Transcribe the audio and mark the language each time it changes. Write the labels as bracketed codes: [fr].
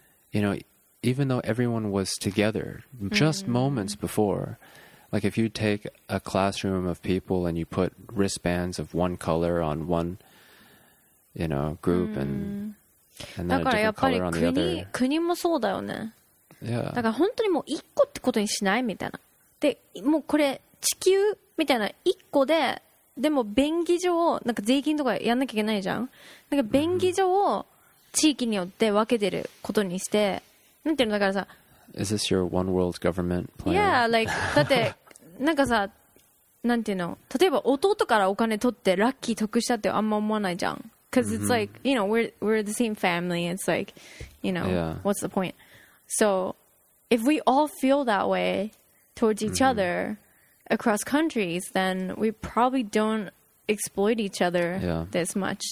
[en] You know, even though everyone was together just moments before, like if you take a classroom of people and you put wristbands of one color on one, you know, group, and then a different color on the other. [ja] 国もそうだよね。 [en] Yeah. [ja] だから本当にもう一個ってことにしないみたいな。で、もうこれ地球みたいな一個で、でも便宜上、なんか税金とかやんなきゃいけないじゃん。なんか便宜上を地域によって分けてることにして、なんていうのだからさ。 [en] Is this your one world government plan? Yeah, like, [ja] だって、なんかさ、なんていうの、例えば弟からお金取ってラッキー得したってあんま思わないじゃん。 [en] Cause it's like, you know, we're the same family. It's like, you know, what's the point? So, if we all feel that way towards each other across countries, then we probably don't exploit each other this much.